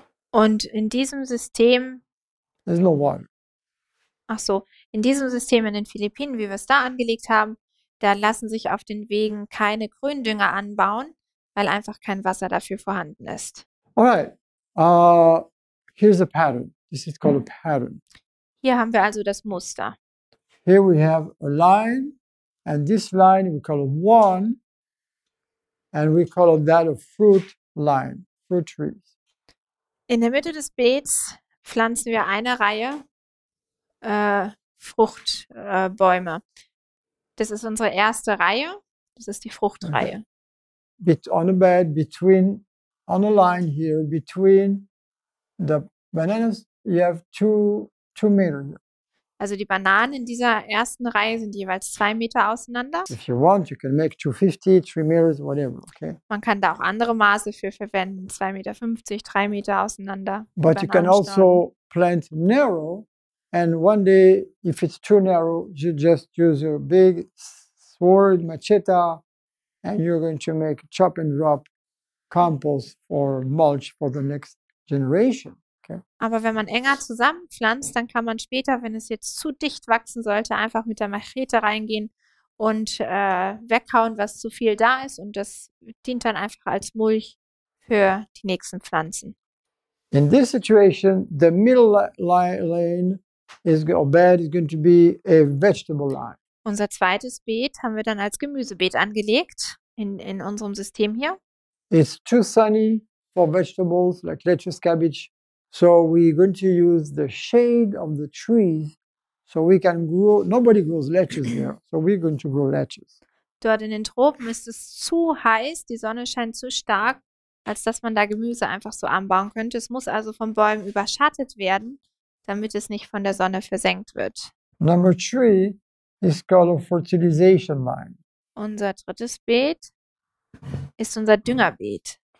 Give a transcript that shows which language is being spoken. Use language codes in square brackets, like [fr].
[de] Und in diesem System. [en] There's no water. [de] Ach so, in diesem System in den Philippinen, wie wir es da angelegt haben, da lassen sich auf den Wegen keine Gründünger anbauen, weil einfach kein Wasser dafür vorhanden ist. [en] Alright, here's a pattern. This is called a pattern. [de] Hier haben wir also das Muster. [en] Here we have a line, and this line we call a one, and we call that a fruit line, fruit trees. [de] In der Mitte des Beets pflanzen wir eine Reihe Fruchtbäume. Das ist unsere erste Reihe. Das ist die Fruchtreihe. Okay. [en] On a bed, between, on a line here, between the bananas, you have two meters. [de] Also die Bananen in dieser ersten Reihe sind jeweils 2 Meter auseinander. [en] If you want, you can make 250, 3 meters, whatever, okay? [de] Man kann da auch andere Maße für verwenden, 2,50 Meter, 3 Meter auseinander. [en] But you can also plant narrow, and one day, if it's too narrow, you just use a big sword, machete, and you're going to make chop and drop compost or mulch for the next generation. Okay. [de] Aber wenn man enger zusammenpflanzt, dann kann man später, wenn es jetzt zu dicht wachsen sollte, einfach mit der Machete reingehen und weghauen, was zu viel da ist. Und das dient dann einfach als Mulch für die nächsten Pflanzen. [en] In this situation, the middle lane is or bed is going to be a vegetable line. [de] Unser zweites Beet haben wir dann als Gemüsebeet angelegt in unserem System hier. [en] It's too sunny for vegetables like lettuce, cabbage, so we're going to use the shade of the trees, so we can grow. Nobody grows lettuce here, so we're going to grow lettuce. [de] Dort in den Tropen ist es zu heiß, die Sonne scheint zu stark, als dass man da Gemüse einfach so anbauen könnte. Es muss also von Bäumen überschattet werden, damit es nicht von der Sonne versenkt wird. [en] Number three is called a fertilization line. [de] Unser drittes Beet ist unser Düngerbeet.